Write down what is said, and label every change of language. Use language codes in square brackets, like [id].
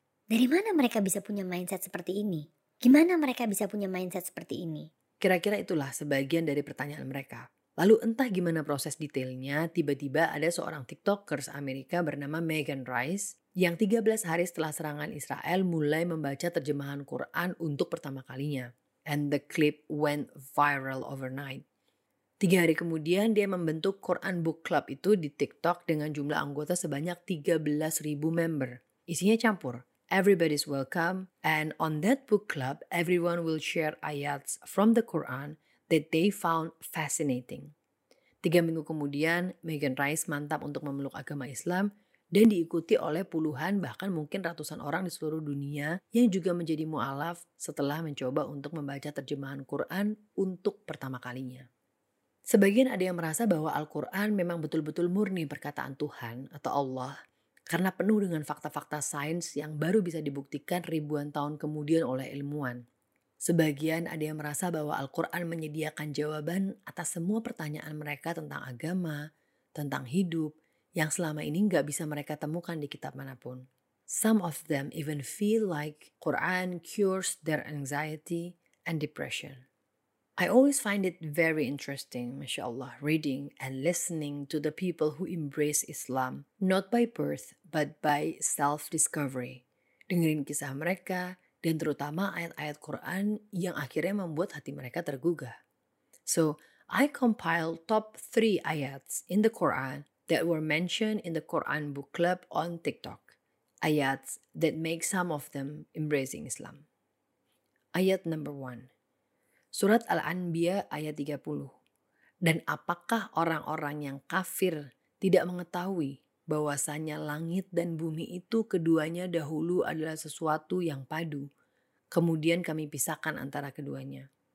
[id] Dari mana mereka bisa punya mindset seperti ini? Gimana mereka bisa punya mindset seperti ini? Kira-kira itulah sebagian dari pertanyaan mereka. Lalu entah gimana proses detailnya, tiba-tiba ada seorang TikTokers Amerika bernama Megan Rice yang 13 hari setelah serangan Israel mulai membaca terjemahan Quran untuk pertama kalinya. [en] And the clip went viral overnight. [id] 3 hari kemudian dia membentuk Quran Book Club itu di TikTok dengan jumlah anggota sebanyak 13.000 member. Isinya campur. [en] Everybody's welcome, and on that book club, everyone will share ayats from the Quran that they found fascinating. [id] 3 minggu kemudian, Megan Rice mantap untuk memeluk agama Islam dan diikuti oleh puluhan bahkan mungkin ratusan orang di seluruh dunia yang juga menjadi mu'alaf setelah mencoba untuk membaca terjemahan Quran untuk pertama kalinya. Sebagian ada yang merasa bahwa Al-Quran memang betul-betul murni perkataan Tuhan atau Allah, karena penuh dengan fakta-fakta sains yang baru bisa dibuktikan ribuan tahun kemudian oleh ilmuwan. Sebagian ada yang merasa bahwa Al-Quran menyediakan jawaban atas semua pertanyaan mereka tentang agama, tentang hidup, yang selama ini gak bisa mereka temukan di kitab manapun. [en] Some of them even feel like Quran cures their anxiety and depression. I always find it very interesting, mashallah, reading and listening to the people who embrace Islam, not by birth, but by self-discovery. [id] Dengerin kisah mereka, dan terutama ayat-ayat Quran yang akhirnya membuat hati mereka tergugah. [en] So, I compiled top 3 ayats in the Quran that were mentioned in the Quran Book Club on TikTok. Ayats that make some of them embracing Islam. [id] Ayat [en] number [id] 1. Surat Al-Anbiya ayat 30. Dan apakah orang-orang yang kafir tidak mengetahui bahwasanya langit dan bumi itu keduanya dahulu adalah sesuatu yang padu, kemudian kami pisahkan antara keduanya.